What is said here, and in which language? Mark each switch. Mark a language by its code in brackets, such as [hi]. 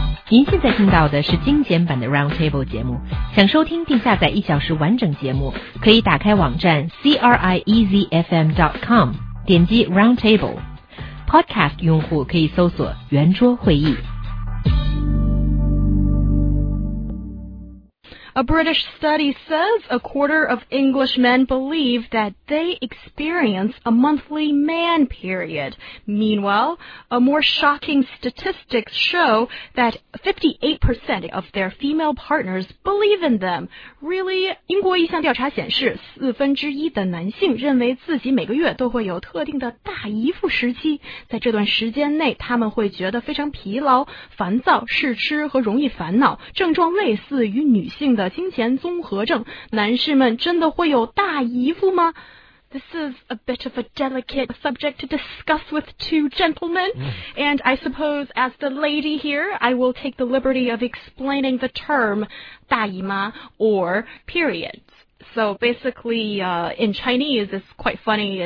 [zh] 您现在听到的是精简版的 Roundtable 节目，想收听并下载一小时完整节目，可以打开网站 CRIEZFM.com 点击 Roundtable。 Podcast 用户可以搜索圆桌会议。 [en] A British study says a quarter of English men believe that they experience a monthly man period. Meanwhile, a more shocking statistic shows that 58% of their female partners believe in them. Really? [zh] 英国一项调查显示，四分之一的男性认为自己每个月都会有特定的大姨夫时期。在这段时间内，他们会觉得非常疲劳、烦躁、试吃和容易烦恼，症状类似于女性的金钱综合症。男士们真的会有大姨夫吗？ [en] This is a bit of a delicate subject to discuss with two gentlemen. And I suppose as the lady here, I will take the liberty of explaining the term 大姨妈 or periods. So basically, in Chinese, it's quite funny.